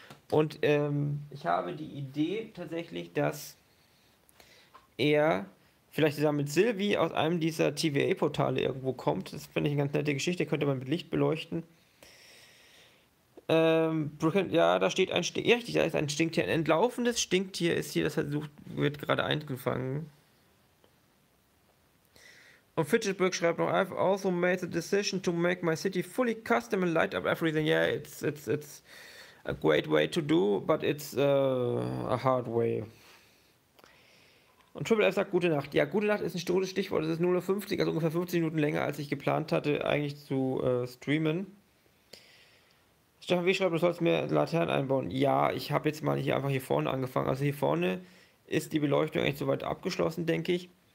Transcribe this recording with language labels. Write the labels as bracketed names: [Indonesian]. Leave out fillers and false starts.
[German] Und ich habe die Idee tatsächlich, dass er vielleicht zusammen mit Sylvie aus einem dieser TVA-Portale irgendwo kommt. Das finde ich eine ganz nette Geschichte. Könnte man mit Licht beleuchten. Ja, da steht ein Stinktier. Ja, richtig, da ist ein Stinktier. Ein entlaufendes Stinktier ist hier, das versucht, wird gerade eingefangen. Und Fitchesburg schreibt noch: [English] I've also made the decision to make my city fully custom and light up everything. Yeah, it's a great way to do, but it's a hard way. [German] Und Triple F sagt: Gute Nacht. Ja, Gute Nacht ist ein gutes Stichwort. Es ist 0:50, also ungefähr 15 Minuten länger, als ich geplant hatte, eigentlich zu streamen. Stefan, wie schreibt, du sollst mir Laternen einbauen? Ja, ich habe jetzt mal hier einfach hier vorne angefangen. Also hier vorne ist die Beleuchtung eigentlich soweit abgeschlossen, denke ich.